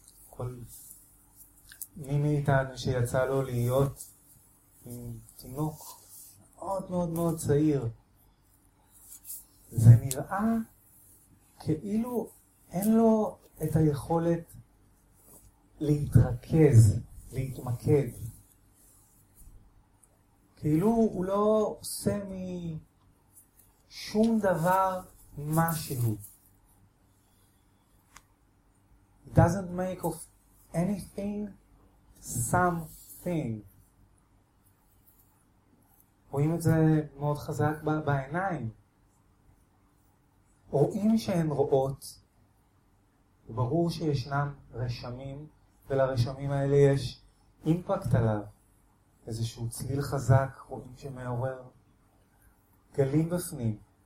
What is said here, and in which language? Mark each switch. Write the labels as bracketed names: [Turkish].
[Hebrew] כל מי מאיתנו שיצא לו להיות עם תינוק מאוד מאוד מאוד צעיר, זה נראה כאילו אין לו את היכולת להתרכז, להתמקד. כאילו הוא לא עושה משום דבר משהו. [English] Doesn't make of anything something. [Hebrew] רואים את זה מאוד חזק בעיניים. רואים שהן רואות, וברור שישנם רשמים, ולרשמים האלה יש אימפקט עליו. איזשהו צליל חזק, רואים שמעורר גלים בפנים.